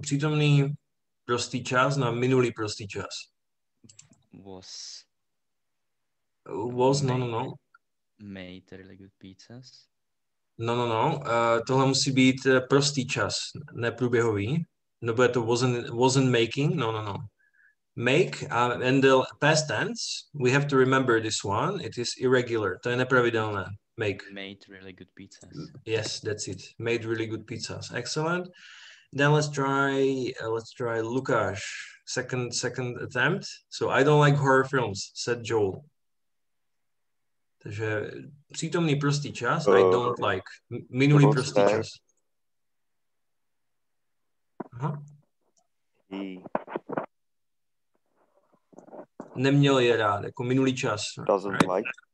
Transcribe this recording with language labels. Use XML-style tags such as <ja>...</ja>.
<cs>Přítomný prostý čas na minulý prostý čas.</cs> <en>Was. Was made, no. Made really good pizzas.</en> <cs>No. Tohle musí být prostý čas, neprůběhový. Nebo je to</cs> <en>wasn't making.</en> <cs>No.</cs> <en>Make and the past tense, we have to remember this one. It is irregular.</en> <cs>To je nepravidelné.</cs> <en>Make. Made really good pizzas. Yes, that's it. Made really good pizzas. Excellent. Then let's try Lukáš. Second attempt. So I don't like horror films, said Joel.</en> <cs>Takže přítomný prostý čas.</cs> <en>I don't like.</en> <cs>Minulý prostý čas. Neměl je rád, jako minulý čas.</cs> <en>Doesn't right? Like.</en>